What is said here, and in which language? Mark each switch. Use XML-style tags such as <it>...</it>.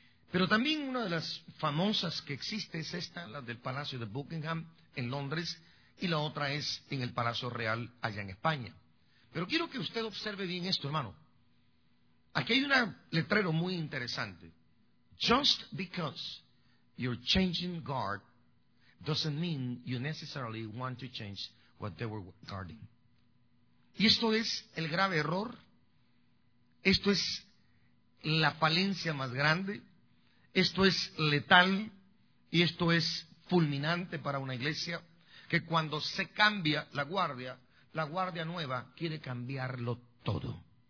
<es>Pero también una de las famosas que existe es esta, la del Palacio de Buckingham en Londres, y la otra es en el Palacio Real allá en España. Pero quiero que usted observe bien esto, hermano. Aquí hay un letrero muy interesante.</es> <en>Just because you're changing guard doesn't mean you necessarily want to change what they were guarding.</en> <es>Y esto es el grave error. Esto es la falencia más grande. Esto es letal y esto es fulminante para una iglesia, que cuando se cambia la guardia nueva quiere cambiarlo todo.</es>